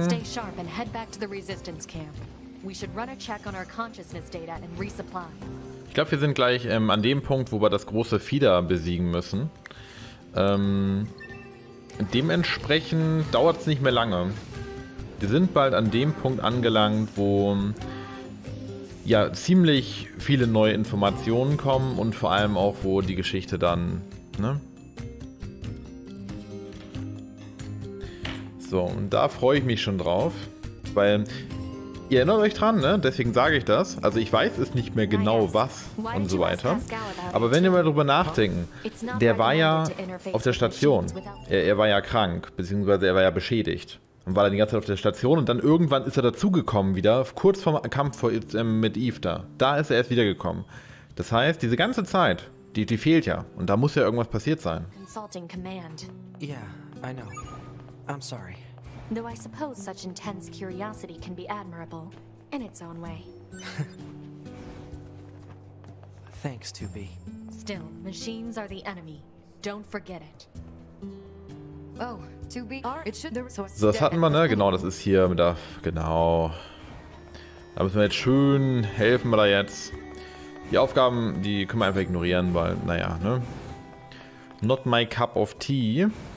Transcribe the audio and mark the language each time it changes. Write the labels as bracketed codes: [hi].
[en] Let's stay sharp and head back to the resistance camp. We should run a check on our consciousness data and resupply. [de] Ich glaube, wir sind gleich an dem Punkt, wo wir das große Fieder besiegen müssen. Dementsprechend dauert es nicht mehr lange. Wir sind bald an dem Punkt angelangt, wo ja, ziemlich viele neue Informationen kommen und vor allem auch, wo die Geschichte dann, ne? So, und da freue ich mich schon drauf, weil, ihr erinnert euch dran, ne? Deswegen sage ich das. Also ich weiß es nicht mehr genau, was und so weiter. Aber wenn ihr mal drüber nachdenken, der war ja auf der Station. Er war ja krank, beziehungsweise er war ja beschädigt. Und war dann die ganze Zeit auf der Station und dann irgendwann ist er dazugekommen wieder, kurz vorm Kampf mit Eve da. Da ist er erst wiedergekommen. Das heißt, diese ganze Zeit, die fehlt ja. Und da muss ja irgendwas passiert sein. [en] Consulting Command. Yeah, I know. I'm sorry. Though I suppose such intense curiosity can be admirable, in its own way. Thanks, 2B. Still, machines are the enemy. Don't forget it. Oh, to be our, it should the [de] so, das hatten wir, ne? Genau, das ist hier mit der. Genau. Da müssen wir jetzt schön helfen, wir da jetzt. Die Aufgaben, die können wir einfach ignorieren, weil, naja, ne? [en] Not my cup of tea.